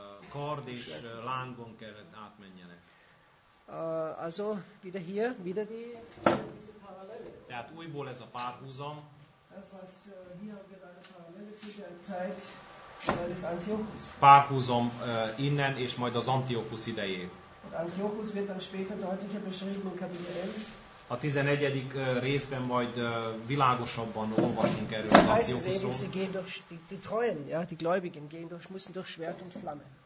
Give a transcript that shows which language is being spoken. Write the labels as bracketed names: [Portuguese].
[Hungarian] Kard és lángon kellett átmenjenek. [German] Also wieder hier, wieder die diese Parallele. [Hungarian] Tehát újból ez a párhuzam. [German] Das was hier gerade Parallele zu der Zeit des Antiochus. [Hungarian] Párhuzam innen és majd az Antiochus idejé. [German] Antiochus wird dann später deutlicher beschrieben in Kapitel 11. [Hungarian] A 11. részben majd világosabban olvasunk erről az Antiochusról. [German] Sie gehen durch die Treuen, ja, die Gläubigen gehen durch, müssen durch Schwert und Flamme.